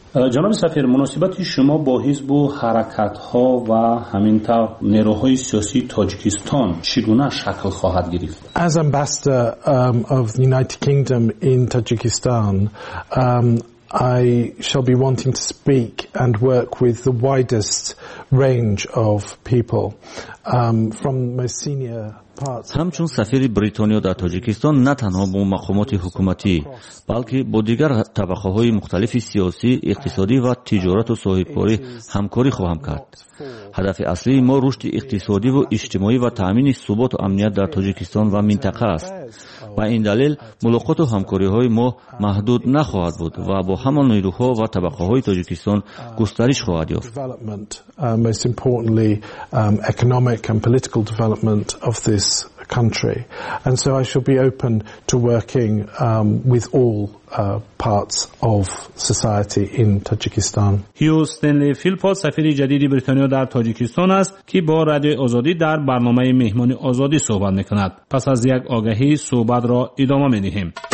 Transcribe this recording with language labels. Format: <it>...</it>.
<fa>جناب سفیر، مناسبت شما با حزب و حرکت ها و همین طور نیروهای سیاسی تاجیکستان چگونه شکل خواهد گرفت؟</fa> <en>As ambassador of the United Kingdom in Tajikistan, I shall be wanting to speak and work with the widest range of people from my senior parts.</en> <fa>همچون سفیر بریتانیا در تاجیکستان نه تنها با مقامات حکومتی بلکه با دیگر طبقه های مختلف سیاسی، اقتصادی و تجارت و صاحبکاری همکاری خواهم کرد. هدف اصلی ما رشد اقتصادی و اجتماعی و تأمین ثبات و امنیت در تاجیکستان و منطقه است. با این دلیل ملاقات و همکاری های ما محدود نخواهد بود و با همان نیروها و طبقه های تاجیکستان گسترش خواهد یافت.</fa> <en>Most importantly, economic and political development of this country. And so I shall be open to working with all parts of society in Tajikistan.</en> <fa>هیوستنلی فیلپوت سفیر جدید بریتانیا در تاجیکستان است که با رادیو آزادی در برنامه مهمانی آزادی صحبت میکند. پس از یک آگهی صحبت را ادامه میدهیم.</fa>